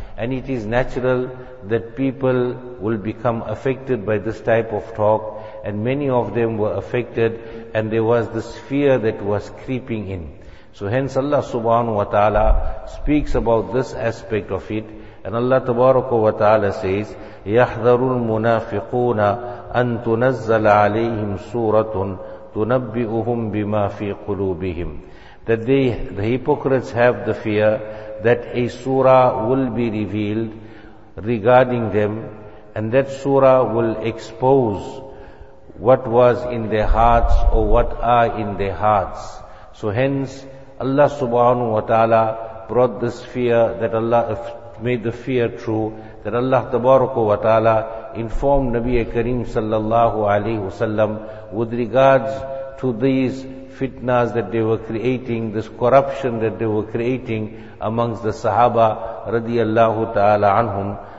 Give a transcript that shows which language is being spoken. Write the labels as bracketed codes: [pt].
[en] And it is natural that people will become affected by this type of talk, and many of them were affected, and there was this fear that was creeping in. So hence Allah subhanahu wa ta'ala speaks about this aspect of it. And Allah tabaraka wa ta'ala says, [ar] يَحْذَرُ الْمُنَافِقُونَ أَن تُنَزَّلَ عَلَيْهِمْ سُورَةٌ تُنَبِّئُهُمْ بِمَا فِي قُلُوبِهِمْ. [en] That the hypocrites have the fear that a surah will be revealed regarding them, and that surah will expose what was in their hearts or what are in their hearts. So hence, Allah subhanahu wa ta'ala brought this fear that Allah made the fear true, that Allah tabaraka wa ta'ala informed Nabi Kareem sallallahu alayhi wasallam with regards to these fitnas that they were creating, this corruption that they were creating amongst the Sahaba radiallahu ta'ala anhum.